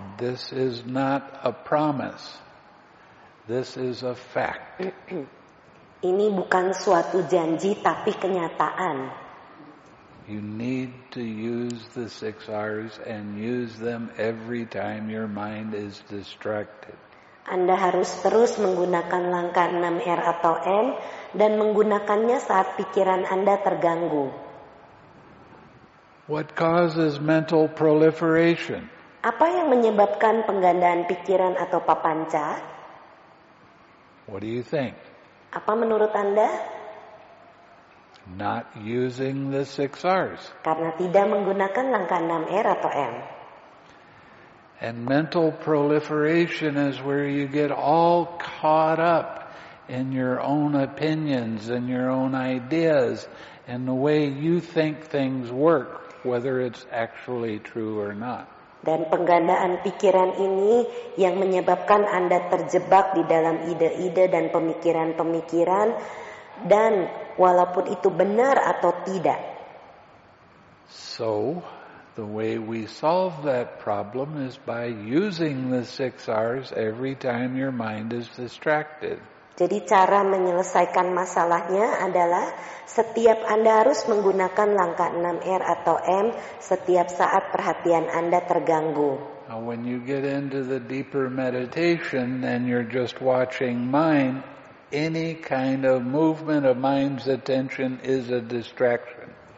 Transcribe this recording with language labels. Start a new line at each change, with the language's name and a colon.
English: This is not a promise. This is a fact.
Indonesian: Ini bukan suatu janji, tapi kenyataan.
English: You need to use the 6 R's and use them every time your mind is distracted.
Indonesian: Anda harus terus menggunakan langkah 6 R atau M dan menggunakannya saat pikiran Anda terganggu.
English: What causes mental proliferation?
Indonesian: Apa yang menyebabkan penggandaan pikiran atau papanca?
English: What do you think?
Indonesian: Apa menurut Anda?
English: Not using the 6 R's.
Indonesian: Karena tidak menggunakan langkah 6 R atau M.
English: And mental proliferation is where you get all caught up in your own opinions and your own ideas and the way you think things work, whether it's actually true or not.
Indonesian: Dan penggandaan pikiran ini yang menyebabkan Anda terjebak di dalam ide-ide dan pemikiran-pemikiran, dan walaupun itu benar atau tidak.
English: So, the way we solve that problem is by using the 6 R's every time your mind is distracted.
Indonesian: Jadi cara menyelesaikan masalahnya adalah setiap Anda harus menggunakan langkah 6R atau M setiap saat perhatian Anda terganggu.
English: Now when you get into the deeper meditation and you're just watching mind, any kind of movement of mind's attention is a distraction.